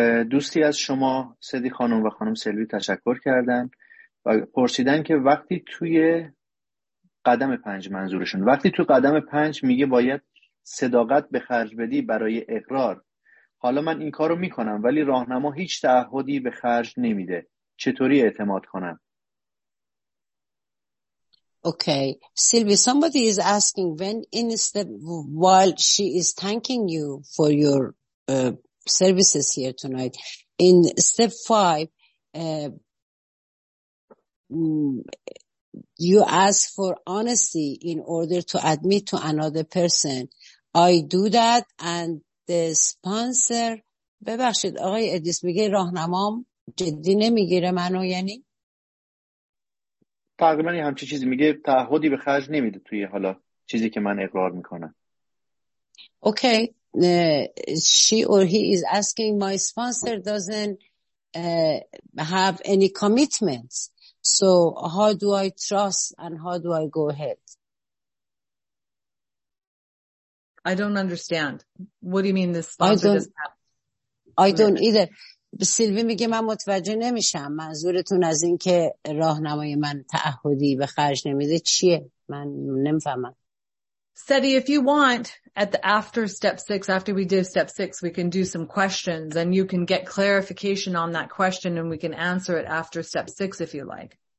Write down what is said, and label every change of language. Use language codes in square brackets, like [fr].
[fa] دوستی از شما سدی خانم و خانم سلوی تشکر کردن و پرسیدن که وقتی توی قدم پنج، منظورشون وقتی تو قدم پنج میگه باید صداقت به خرج بدی برای اقرار، حالا من این کارو میکنم ولی راهنما هیچ تعهدی به خرج نمیده، چطوری اعتماد کنم؟ [en] Okay, Sylvie, somebody is asking when in step, while she is thanking you for your services here tonight, in step 5 you ask for honesty in order to admit to another person. I do that and the sponsor [fa] ببخشید آقای ادیس میگه راهنمام جدی نمیگیره منو، یعنی تقریبا یه همچی چیزی میگه، تعهدی به خرج نمیده توی حالا چیزی که من اقرار میکنم. [en] Okay she or he is asking my sponsor doesn't have any commitments, so how do I trust and how do I go ahead? I don't understand. What do you mean the sponsor doesn't have? I don't either. [fa] سیلوی میگه من متوجه نمیشم منظورتون از این که راهنمای من تعهدی به خرج نمیده چیه؟ من نمیفهمم. [en] Sadi, if you want, after step 6, after we do step 6, we can do some questions and you can get clarification on that question and we can answer it after step 6 if you like.